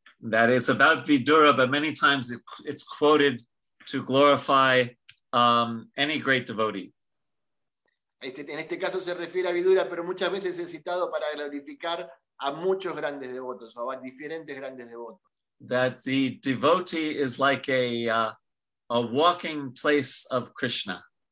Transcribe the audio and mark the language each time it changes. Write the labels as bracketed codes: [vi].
[en] That is about Vidura, but many times it's quoted to glorify any great devotee. [es] En este caso se refiere a Vidura, pero muchas veces es citado para glorificar a muchos grandes devotos, a diferentes grandes devotos. [en] That the devotee is like a walking place of Krishna.